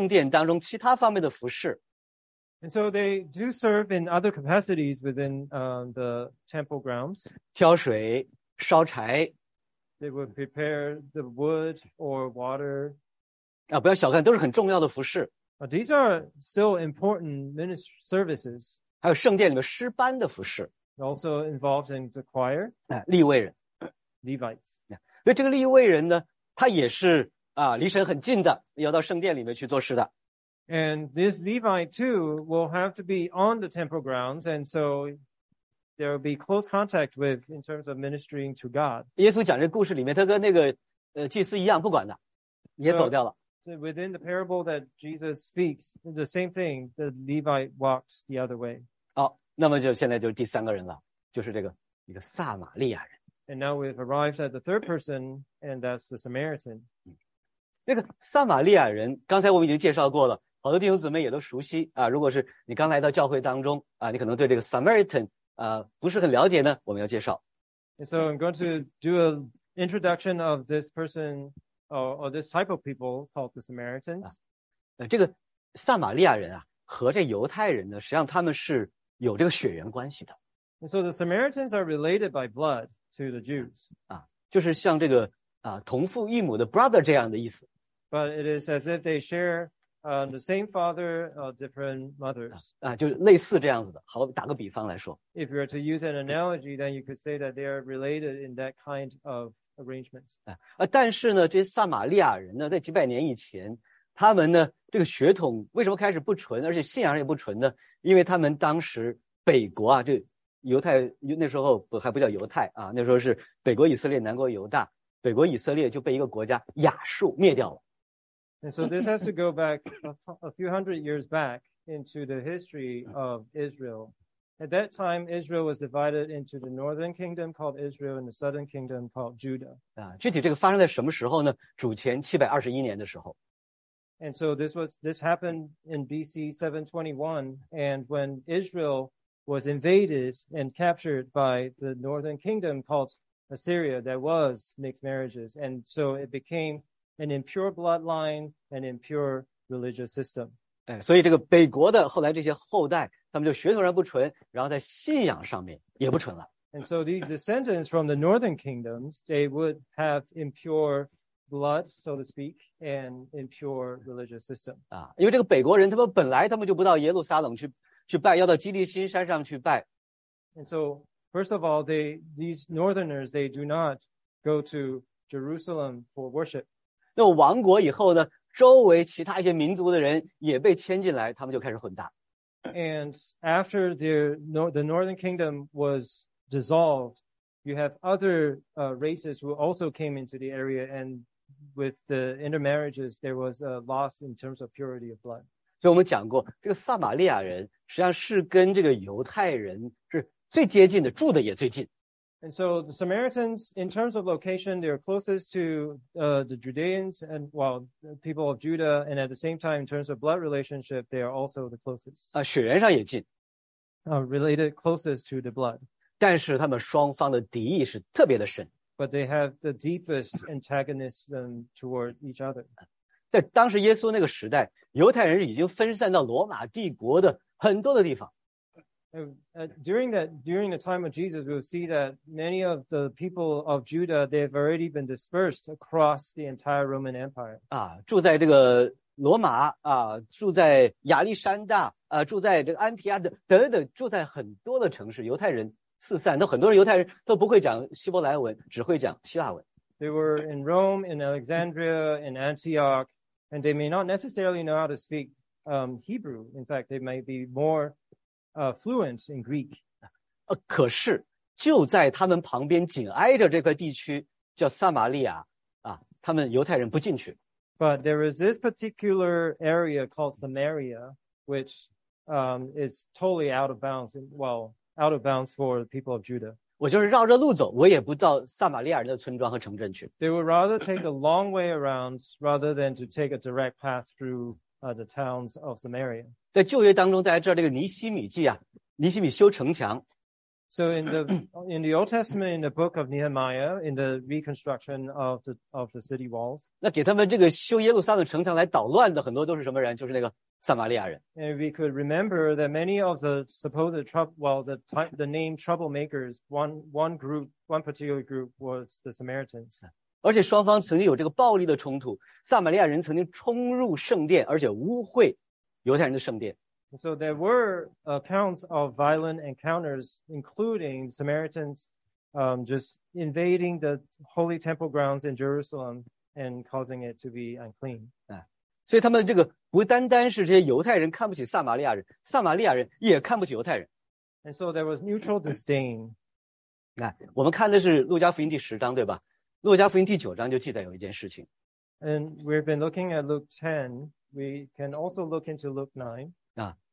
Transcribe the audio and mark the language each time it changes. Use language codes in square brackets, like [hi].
[zh] 哎，那这些立位人他们做的时候是做圣殿当中其他方面的服饰。 [en] And so they do serve in other capacities within the temple grounds. [zh] 挑水烧柴。 [en] They would prepare the wood or water. [zh] 啊，不要小看，都是很重要的服饰。 [en] These are still important ministry services. [zh] 还有圣殿里面诗班的服饰。 [en] Also involved in the choir. [zh] 哎，立位人。 [en] Levites. [zh] 所以这个利未人呢, 他也是啊, 离神很近的, 要到圣殿里面去做事的。 [en] And this Levite too will have to be on the temple grounds, and so there will be close contact with in terms of ministering to God. [zh] 耶稣讲这故事里面, 他跟那个, 祭司一样, 不管的, 也走掉了。 [en] So within the parable that Jesus speaks, the same thing, the Levite walks the other way. [zh] 好, 那么就现在就是第三个人了, 就是这个, 一个撒玛利亚人。 [en] And now we've arrived at the third person, and that's the Samaritan. [zh] 那个撒玛利亚人, 刚才我们已经介绍过了, 好多弟兄姊妹也都熟悉, 啊, 如果是你刚来到教会当中, 啊, 你可能对这个Samaritan, 啊, 不是很了解呢, 我们要介绍。 [en] And so I'm going to do an introduction of this person, or this type of people called the Samaritans. [zh] 啊, 这个撒玛利亚人啊, 和这犹太人呢, 实际上他们是有这个血缘关系的。 [en] And so the Samaritans are related by blood to the Jews. [zh] 啊, 就是像这个, 啊, 同父异母的brother这样的意思。 [en] But it is as if they share the same father or different mothers. [zh] 啊, 就类似这样子的, 好, 打个比方来说。 [en] If you were to use an analogy, then you could say that they are related in that kind of arrangement. [zh] 啊, 但是呢, 这些撒玛利亚人呢, 在几百年以前, 他们呢, 这个血统为什么开始不纯, 而且信仰也不纯呢? 因为他们当时北国啊, 这, 犹太, 那时候还不叫犹太, 啊, 那时候是北国以色列, 南国犹大, 北国以色列就被一个国家, 亚述灭掉了。 [en] And so this has to go back a few hundred years back into the history of Israel. At that time, Israel was divided into the northern kingdom called Israel and the southern kingdom called Judah. [zh] 啊, 具体这个发生在什么时候呢? 主前 721年的时候。 [en] And so this happened in BC 721, and when Israel was invaded and captured by the northern kingdom called Assyria that was mixed marriages. And so it became an impure bloodline, an impure religious system. [zh] 所以这个北国的后来这些后代,他们就血统上不纯,然后在信仰上面也不纯了。 [en] And so these descendants from the northern kingdoms, they would have impure blood, so to speak, and impure religious system. [zh] 因为这个北国人他们本来他们就不到耶路撒冷去拜，要到基利心山上去拜。 [en] And so, first of all, these northerners, they do not go to Jerusalem for worship. [zh] 那么亡国以后呢，周围其他一些民族的人也被迁进来，他们就开始混搭。 [en] And after the northern kingdom was dissolved,You have other races who also came into the area, and with the intermarriages, there was a loss in terms of purity of blood. So, we [zh] 讲过这个撒玛利亚人实际上是跟这个犹太人是最接近的，住的也最近。 [en] And so, the Samaritans, in terms of location, they are closest to the Judeans and the people of Judah, and at the same time, in terms of blood relationship, they are also the closest. [zh] 血缘上也近。 [en] Related closest to the blood. [zh] 但是他们双方的敌意是特别的深。 [en] But they have the deepest antagonism toward each other. [zh] 在当时耶稣那个时代，犹太人已经分散到罗马帝国的很多的地方。 [en] During the time of Jesus, we'll see that many of the people of Judah, they've already been dispersed across the entire Roman Empire. [zh] 住在这个罗马住在亚历山大住在这个安提亚的等等，住在很多的城市，犹太人。四散，那很多人犹太人都不会讲希伯来文，只会讲希腊文。 [en] They were in Rome, in Alexandria, in Antioch, and they may not necessarily know how to speak Hebrew. In fact, they might be more fluent in Greek. [zh] 可是就在他们旁边紧挨着这块地区叫撒玛利亚他们犹太人不进去。 [en] But there is this particular area called Samaria, which is totally out of bounds. Out of bounds for the people of Judah. [zh] 我就是绕着路走，我也不到撒玛利亚人的村庄和城镇去。 [en] They would rather take a long way around rather than to take a direct path through the towns of Samaria. [zh] 在旧约当中，大家知道这个尼希米记尼希米修城墙。 [en] So in the Old Testament, in the book of Nehemiah, in the reconstruction of the city walls. [zh] 那给他们这个修耶路撒冷城墙来捣乱的很多都是什么人？就是那个。撒玛利亚人。 [en] And we could remember that many of the supposed the name troublemakers, one particular group was the Samaritans. [zh] 而且双方曾经有这个暴力的冲突，撒玛利亚人曾经冲入圣殿，而且污秽犹太人的圣殿。 [en] So there were accounts of violent encounters, including Samaritans just invading the holy temple grounds in Jerusalem and causing it to be unclean. [zh] 所以他们这个不单单是这些犹太人看不起撒玛利亚人，撒玛利亚人也看不起犹太人。 [en] And so there was mutual disdain. [zh] 我们看的是路加福音第十章，对吧？路加福音第九章就记载有一件事情。 [en] And we've been looking at Luke 10. We can also look into Luke 9.